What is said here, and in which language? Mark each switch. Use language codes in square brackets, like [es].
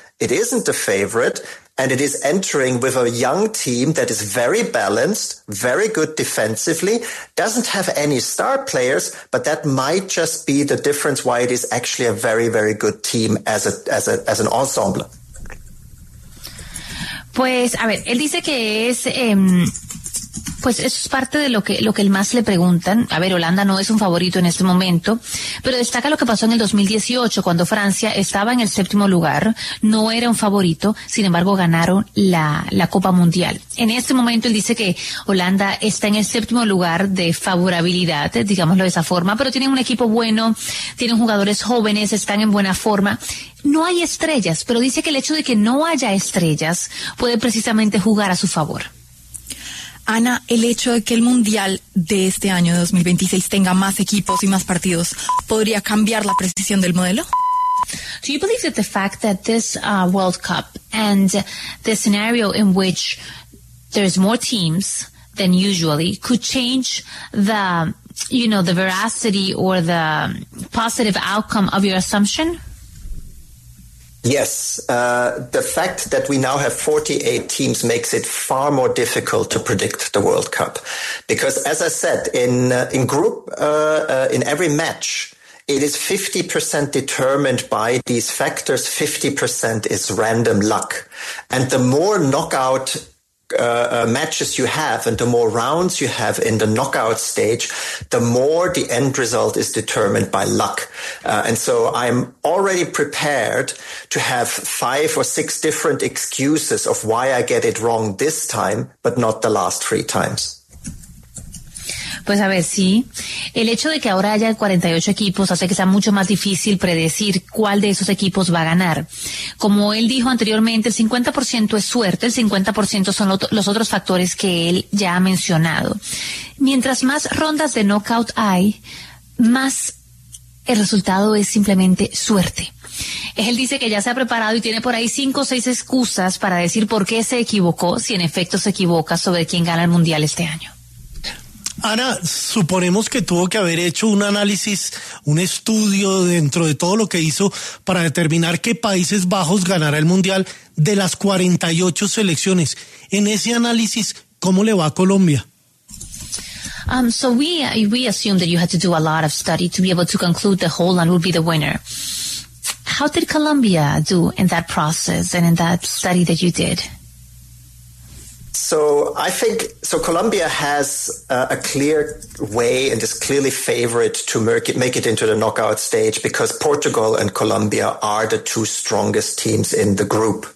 [en] It isn't the favorite, and it is entering with a young team that is very balanced, very good defensively, doesn't have any star players, but that might just be the difference why it is actually a very, very good team as an ensemble. [es] Pues, a ver, él dice que es, pues eso es parte de lo que más le preguntan. A ver, Holanda no es un favorito en este momento, pero destaca lo que pasó en el 2018, cuando Francia estaba en el séptimo lugar, no era un favorito, sin embargo ganaron la Copa Mundial. En este momento él dice que Holanda está en el séptimo lugar de favorabilidad, digámoslo de esa forma, pero tienen un equipo bueno, tienen jugadores jóvenes, están en buena forma. No hay estrellas, pero dice que el hecho de que no haya estrellas puede precisamente jugar a su favor. Ana, el hecho de que el Mundial de este año 2026 tenga más equipos y más partidos, ¿podría cambiar la precisión del modelo? [en] Do you believe that the fact that this World Cup and the scenario in which there's more teams than usually could change the veracity or the positive outcome of your assumption? Yes, the fact that we now have 48 teams makes it far more difficult to predict the World Cup. Because as I said, in every match, it is 50% determined by these factors, 50% is random luck. And the more knockout matches you have and the more rounds you have in the knockout stage, the more the end result is determined by luck. And so I'm already prepared to have 5 or 6 different excuses of why I get it wrong this time, but not the last 3 times. [es] Pues a ver, sí. El hecho de que ahora haya 48 equipos hace que sea mucho más difícil predecir cuál de esos equipos va a ganar. Como él dijo anteriormente, el 50% es suerte, el 50% son los otros factores que él ya ha mencionado. Mientras más rondas de knockout hay, más el resultado es simplemente suerte. Él dice que ya se ha preparado y tiene por ahí 5 o 6 excusas para decir por qué se equivocó, si en efecto se equivoca sobre quién gana el Mundial este año. Ana, suponemos que tuvo que haber hecho un análisis, un estudio dentro de todo lo que hizo para determinar qué Países Bajos ganará el Mundial de las 48 selecciones. En ese análisis, ¿cómo le va a Colombia? [en] So we assumed that you had to do a lot of study to be able to conclude that Holland would be the winner. How did Colombia do in that process and in that study that you did? So I think, Colombia has a clear way and is clearly favored to make it into the knockout stage, because Portugal and Colombia are the two strongest teams in the group.